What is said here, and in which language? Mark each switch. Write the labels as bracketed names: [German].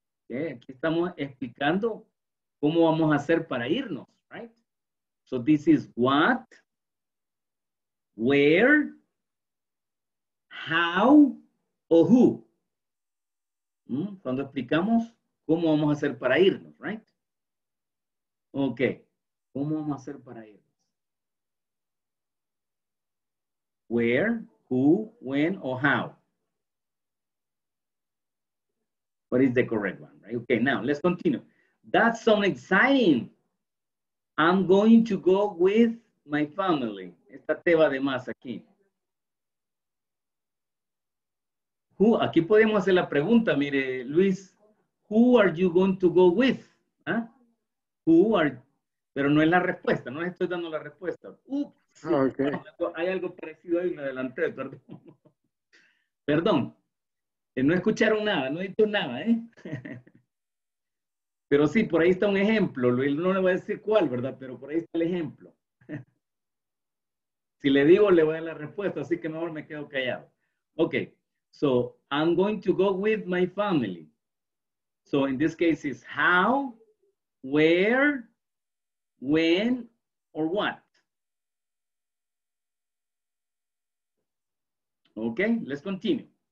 [Spanish] Aquí estamos explicando cómo vamos a hacer para irnos, right? [English] So this is what, where, how, o who. [Spanish] Cuando explicamos cómo vamos a hacer para irnos, right? Okay. ¿Cómo vamos a hacer para irnos? [English] Where, who, when, or how? What is the correct one, right? Okay, now let's continue. That's so exciting. I'm going to go with my family. [Spanish] Esta te va de más aquí. [English] Who, [Spanish] aquí podemos hacer la pregunta, mire, [English] Luis. Who are you going to go with? ¿Ah? Who are, [Spanish] pero no es la respuesta, no les estoy dando la respuesta. Ups. Okay. Hay algo parecido ahí, me adelanté, perdón. Perdón. No escucharon nada, no he dicho nada, ¿eh? Pero sí, por ahí está un ejemplo. No le voy a decir cuál, ¿verdad? Pero por ahí está el ejemplo. Si le digo, le voy a dar la respuesta, así que mejor me quedo callado. Ok. [English] So, I'm going to go with my family. So, in this case, it's how, where, when, or what. Ok, let's continue.